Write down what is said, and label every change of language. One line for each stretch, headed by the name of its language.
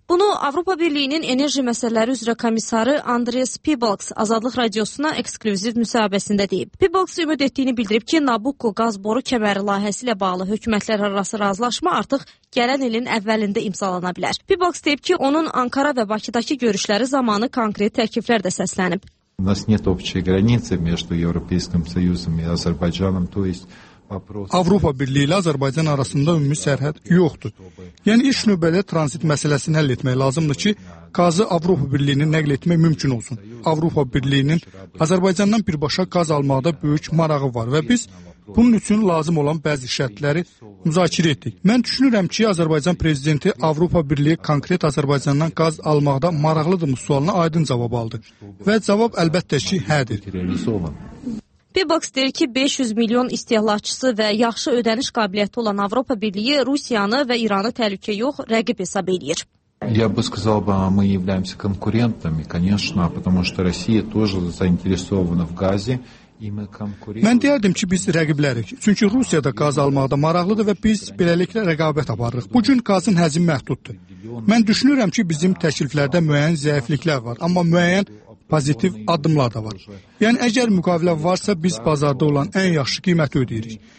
Azerbaijani: Bunu Avropa Birliyinin enerji məsələləri üzrə komissarı Andris Pielbaks Azadlıq Radiosuna ekskluziv müsahibəsində deyib. Pielbaks ümid etdiyini bildirib ki, Nabukko qaz boru kəməri layihəsi ilə bağlı hökumətlər arası razılaşma artıq gələn ilin əvvəlində imzalana bilər. Pielbaks deyib ki, onun Ankara və Bakıdakı görüşləri zamanı konkret təkliflər də səslənib.
Russian: У нас нет общей границы между Европейским Союзом и Азербайджаном, то есть
Azerbaijani: Avropa Birliyi ilə Azərbaycan arasında ümumi sərhəd yoxdur. Yəni, iş növbədə transit məsələsini həll etmək lazımdır ki, qazı Avropa Birliyinin nəql etmək mümkün olsun. Avropa Birliyinin Azərbaycandan birbaşa qaz almaqda böyük marağı var və biz bunun üçün lazım olan bəzi şərtləri müzakirə etdik. Mən düşünürəm ki, Azərbaycan Prezidenti Avropa Birliyi konkret Azərbaycandan qaz almaqda maraqlıdırmı sualına aydın cavab aldı və cavab əlbəttə ki, hədir. Pielbaks deyir ki, 500 milyon istehlakçısı və yaxşı ödəniş qabiliyyəti olan Avropa Birliyi Rusiyanı və İranı təhlükə yox, rəqib hesab edir.
Russian: Я бы сказал бы, мы являемся конкурентами, конечно, потому что Россия тоже заинтересована в газе.
Azerbaijani: Mən deyərdim ki, biz rəqiblərik. Çünki Rusiyada qaz almaqda maraqlıdır və biz beləliklə rəqabət aparırıq. Bugün qazın həcmi məhduddur. Mən düşünürəm ki, bizim təkliflərdə müəyyən zəifliklər var, amma müəyyən pozitiv addımlar da var. Yəni, əgər müqavilə varsa, biz bazarda olan ən yaxşı qiyməti ödəyirik.